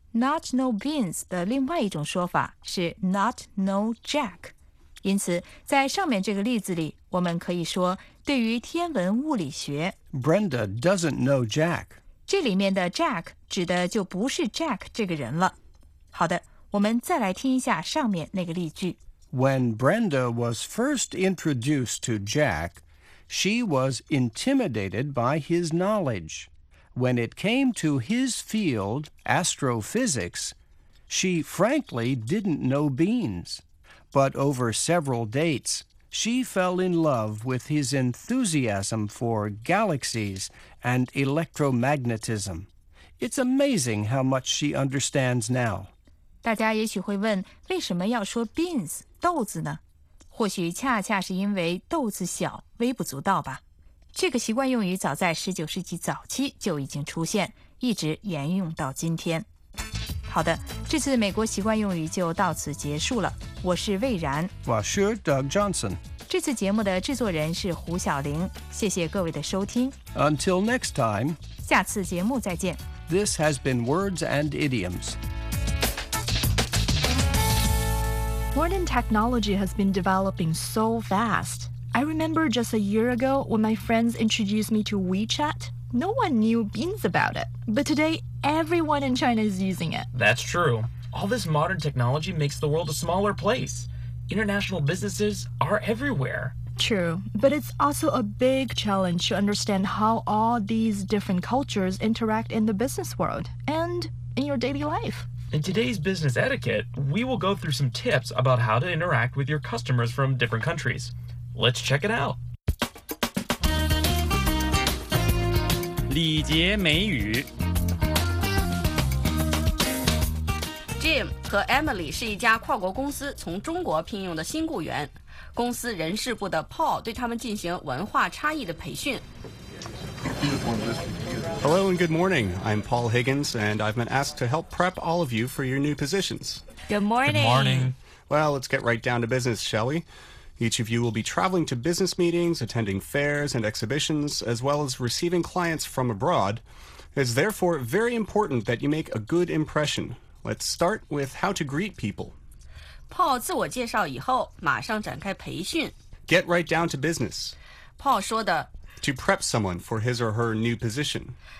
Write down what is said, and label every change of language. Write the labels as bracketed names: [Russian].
[English] not know beans [Chinese] 的另外一种说法是 [English] not know Jack。 [Chinese] 因此，在上面这个例子里，我们可以说，对于天文物理学， [English] Brenda doesn't know Jack. [Chinese] 这里面的Jack指的就不是Jack这个人了。好的，我们再来听一下上面那个例句。 [English] When Brenda was first introduced to Jack, she was intimidated by his knowledge. When it came to his field, astrophysics, she frankly didn't know beans. But over several dates, she fell in love with his enthusiasm for galaxies and electromagnetism. It's amazing how much she understands now. [Chinese] 大家也许会问，为什么要说 beans 豆子呢？或许恰恰是因为豆子小，微不足道吧。这个习惯用语早在19世纪早期就已经出现，一直沿用到今天。好的，这次美国习惯用语就到此结束了。我是魏然，我是Doug Johnson。这次节目的制作人是胡晓玲，谢谢各位的收听。 [English] Until next time， [Chinese] 下次节目再见。 [English] This has been Words and Idioms. Modern technology has been developing so fast. I remember just a year ago when my friends introduced me to WeChat. No one knew beans about it. But today, everyone in China is using it. That's true. All this modern technology makes the world a smaller place. International businesses are everywhere. True, but it's also a big challenge to understand how all these different cultures interact in the business world and in your daily life. In today's business etiquette, we will go through some tips about how to interact with your customers from different countries. Let's check it out. [Chinese] 礼节美语 Jim 和Emily 是一家跨国公司从中国聘用的新雇员，公司人事部的 Paul 对他们进行文化差异的培训。 [English] Hello and good morning. I'm Paul Higgins and I've been asked to help prep all of you for your new positions. Good morning. Good morning. Well, let's get right down to business, shall we? Each of you will be traveling to business meetings, attending fairs and exhibitions, as well as receiving clients from abroad. It's therefore very important that you make a good impression. Let's start with how to greet people. [Chinese] Paul 自我介绍以后，马上展开培训。 [English] Get right down to business. [Chinese] Paul 说的 [English] To prep someone for his or her new position.